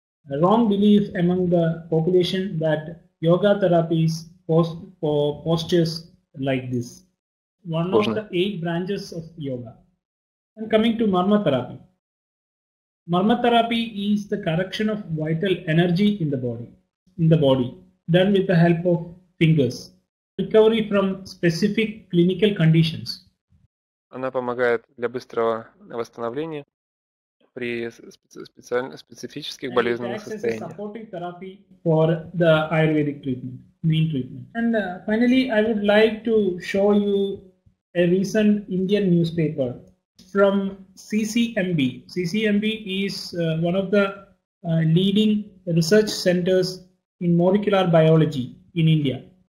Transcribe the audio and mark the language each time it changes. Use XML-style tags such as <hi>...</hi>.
<en>wrong belief among the population that yoga therapies postures like this. One of the eight branches of yoga. And coming to marma therapy. Marma therapy is the correction of vital energy in the body, done with the help of fingers. Recovery from specific clinical conditions.</en> <ru>Она помогает для быстрого восстановления при специфических болезненных состояниях.</ru> <en>Supportive therapy for the Ayurvedic treatment, main treatment. And finally, I would like to show you a recent Indian newspaper from CCMB. CCMB is one of the leading research centers in molecular biology in India.</en>